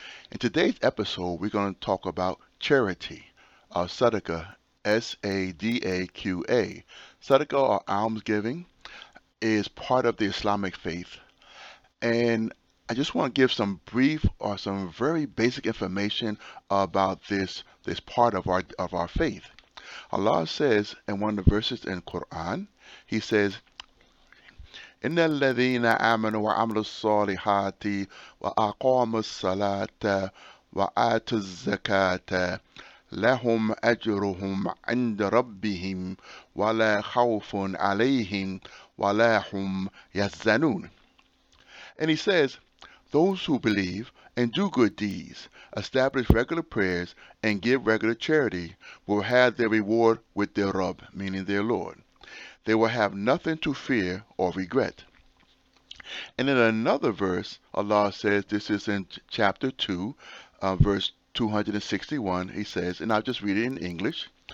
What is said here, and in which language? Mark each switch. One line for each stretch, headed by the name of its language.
English: In today's episode, we're going to talk about charity, or sadaqa, S-A-D-A-Q-A. Sadaqa, or almsgiving, is part of the Islamic faith. And I just want to give some brief or some very basic information about this part of our faith. Allah says in one of the verses in Quran, He says,
Arabic: إن الذين آمنوا وعملوا الصالحات وأقاموا الصلاة وآتوا الزكاة لهم أجرهم عند ربهم ولا خوف عليهم ولا هم يحزنون.
English: And He says, those who believe and do good deeds, establish regular prayers, and give regular charity will have their reward with their Rabb, meaning their Lord. They will have nothing to fear or regret. And in another verse, Allah says, this is in chapter 2, verse 261, He says, and I'll just read it in English.